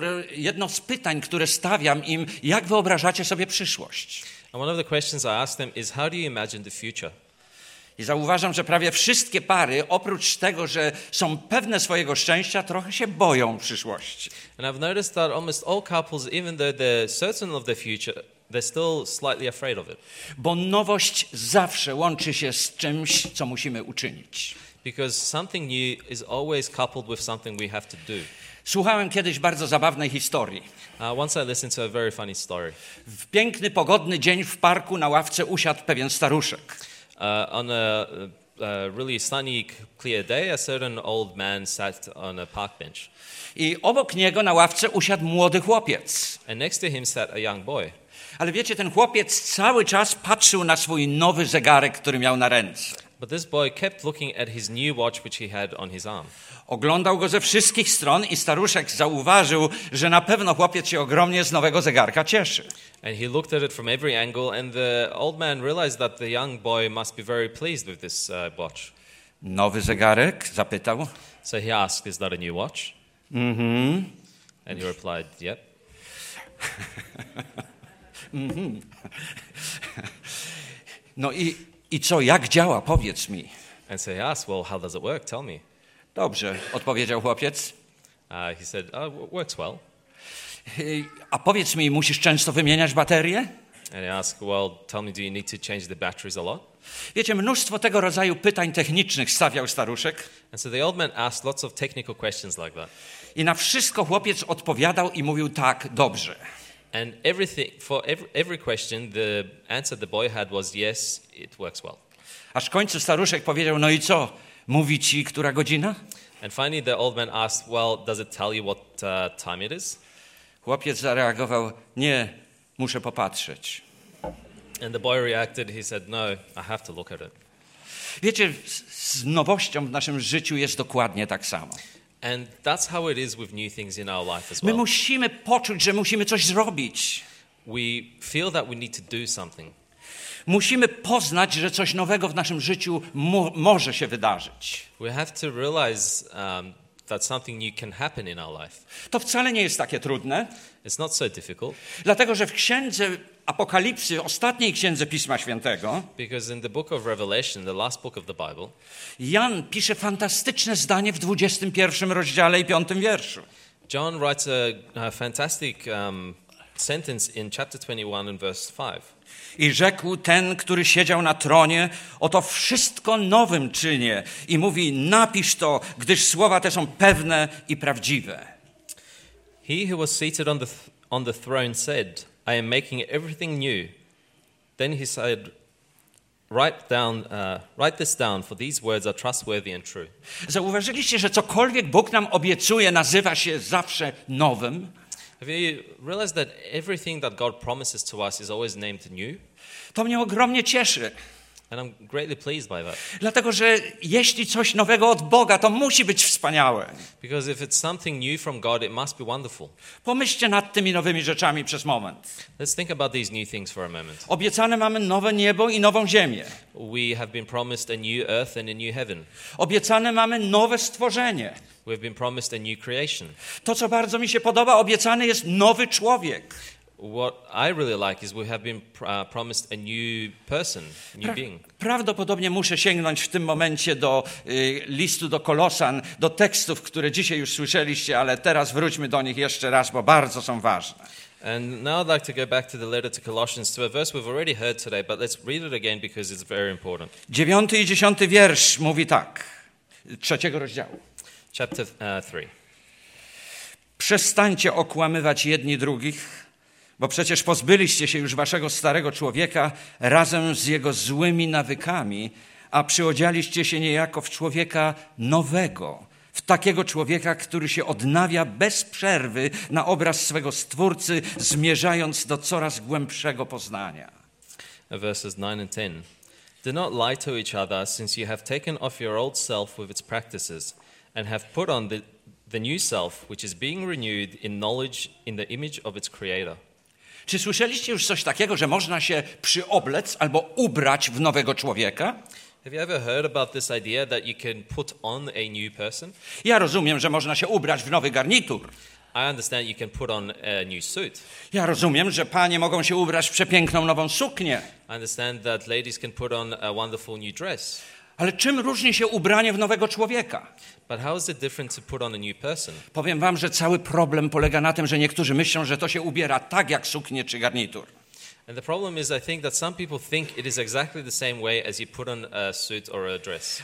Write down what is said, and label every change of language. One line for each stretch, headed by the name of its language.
Polish: Jedno z pytań, które stawiam im, jak wyobrażacie sobie przyszłość?
English: And one of the questions I ask them is, how do you imagine the future?
Polish: I zauważam, że prawie wszystkie pary, oprócz tego, że są pewne swojego szczęścia, trochę się boją przyszłości.
English: And I've noticed that almost all couples, even though they're certain of the future, they're still slightly afraid of it.
Polish: Bo nowość zawsze łączy się z czymś, co musimy uczynić.
English: Because something new is always coupled with something we have to do.
Polish: Słuchałem kiedyś bardzo zabawnej historii.
English: Once I listened to a very funny story.
Polish: W piękny, pogodny dzień w parku na ławce usiadł pewien staruszek.
English: On a really sunny, clear day, a certain old man sat on a park bench.
Polish: I obok niego na ławce usiadł młody chłopiec.
English: And next to him sat a young boy.
Polish: Ale wiecie, ten chłopiec cały czas patrzył na swój nowy zegarek, który miał na ręce.
English: But this boy kept looking at his new watch which he had on his arm.
Polish: Oglądał go ze wszystkich stron i staruszek zauważył, że na pewno chłopiec się ogromnie z nowego zegarka cieszy.
English: And he looked at it from every angle and the old man realized that the young boy must be very pleased with this watch.
Polish: Nowy zegarek? Zapytał.
English: So he asked, is that a new watch? Mm-hmm. And he replied, yep. Mm-hmm.
Polish: No i co, jak działa? Powiedz mi.
English: And so he asked, well, how does it work? Tell me.
Polish: Dobrze, odpowiedział chłopiec.
English: He said, works well.
Polish: A powiedz mi, musisz często wymieniać baterie?
English: And he asked, well, tell me, do you need to change the batteries a lot?
Polish: Wiecie, mnóstwo tego rodzaju pytań technicznych stawiał staruszek.
English: And so the old man asked lots of technical questions like that.
Polish: I na wszystko chłopiec odpowiadał i mówił tak, dobrze.
English: And everything, for every question, the answer the boy had was yes, it works well.
Polish: Aż w końcu staruszek powiedział, no i co? Mówi ci, która godzina?
English: And finally the old man asked, well, does it tell you what time it is?
Polish: Chłopiec zareagował, nie, muszę popatrzeć.
English: And the boy reacted, he said, no, I have to look at it.
Polish: Wiecie, z nowością w naszym życiu jest dokładnie tak samo.
English: And that's how it is with new things in our life as well.
Polish: My musimy poczuć, że musimy coś zrobić.
English: We feel that we need to do something.
Polish: Musimy poznać, że coś nowego w naszym życiu może się wydarzyć.
English: We have to realize that something new can happen in our life.
Polish: To wcale nie jest takie trudne.
English: It's not so difficult.
Polish: Dlatego, że w Księdze Apokalipsy, ostatniej Księdze Pisma Świętego,
English: because in the book of Revelation, the last book of the Bible,
Polish: Jan pisze fantastyczne zdanie w 21 rozdziale i 5 wierszu.
English: John writes a fantastic sentence in chapter 21 and verse 5.
Polish: I rzekł ten, który siedział na tronie, oto wszystko nowym czynię. I mówi, napisz to, gdyż słowa te są pewne i prawdziwe.
English: He who was seated on the throne said, I am making everything new. Then he said, write this down, for these words are trustworthy and true.
Polish: Zauważyliście, że cokolwiek Bóg nam obiecuje, nazywa się zawsze nowym?
English: Have you realized that everything that God promises to us is always named new?
Polish: To mnie ogromnie cieszy.
English: And I'm greatly pleased by that.
Polish: Dlatego, że jeśli coś nowego od Boga, to musi być wspaniałe.
English: Because if it's something new from God, it must be wonderful.
Polish: Pomyślcie nad tymi nowymi rzeczami przez moment.
English: Let's think about these new things for a moment.
Polish: Obiecane mamy nowe niebo i nową ziemię.
English: We have been promised a new earth and a new heaven.
Polish: Obiecane mamy nowe stworzenie.
English: We've been promised a new creation.
Polish: To, co bardzo mi się podoba, obiecany jest nowy człowiek.
English: What I really like is we have been promised a new person, new being.
Polish: Prawdopodobnie muszę sięgnąć w tym momencie do listu do Kolosan, do tekstów, które dzisiaj już słyszeliście, ale teraz wróćmy do nich jeszcze raz, bo bardzo są ważne.
English: And now I'd like to go back to the letter to Colossians, to a verse we've already heard today, but let's read it again because it's very important.
Polish: 9 i 10 wiersz mówi tak, 3 rozdziału.
English: Chapter 3.
Polish: Przestańcie okłamywać jedni drugich, bo przecież pozbyliście się już waszego starego człowieka razem z jego złymi nawykami, a przyodzialiście się niejako w człowieka nowego, w takiego człowieka, który się odnawia bez przerwy na obraz swego Stwórcy, zmierzając do coraz głębszego poznania.
English: Verses 9 and 10. Do not lie to each other, since you have taken off your old self with its practices and have put on the new self, which is being renewed in knowledge in the image of its creator.
Polish: Czy słyszeliście już coś takiego, że można się przyoblec albo ubrać w nowego człowieka?
English: Have you ever heard about this idea that you can put on a new person?
Polish: Ja rozumiem, że można się ubrać w nowy garnitur.
English: I understand you can put on a new suit.
Polish: Ja rozumiem, że panie mogą się ubrać w przepiękną nową suknię.
English: I understand that ladies can put on a wonderful new dress.
Polish: Ale czym różni się ubranie w nowego człowieka?
English: But how is it different to put on a new person?
Polish: Powiem wam, że cały problem polega na tym, że niektórzy myślą, że to się ubiera tak jak suknię czy garnitur.
English: And the problem is, I think that some people think it is exactly the same way as you put on a suit or a dress.